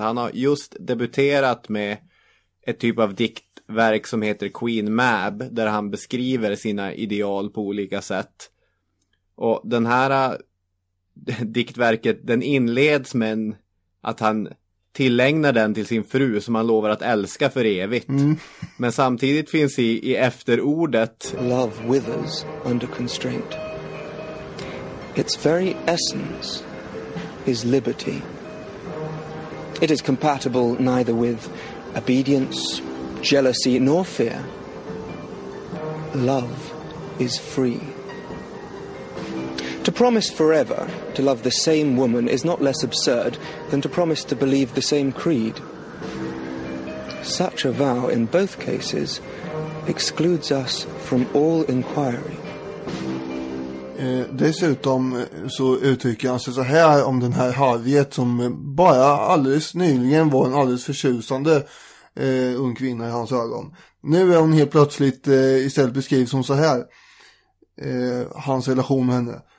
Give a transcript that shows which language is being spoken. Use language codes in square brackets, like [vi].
[sv] Han har just debuterat med ett typ av diktverk som heter Queen Mab, där han beskriver sina ideal på olika sätt. Och den här diktverket, den inleds med att han tillägnar den till sin fru som han lovar att älska för evigt. Mm. Men samtidigt finns i efterordet: [en] love withers under constraint. Its very essence is liberty. It is compatible neither with obedience, jealousy, nor fear. Love is free. To promise forever to love the same woman is not less absurd than to promise to believe the same creed. Such a vow in both cases excludes us from all inquiry. [sv] Dessutom så uttrycker han sig så här om den här Harriet, som bara alldeles nyligen var en alldeles förtjusande ung kvinna i hans ögon. Nu är hon helt plötsligt istället beskrivs som så här. Hans relation med henne.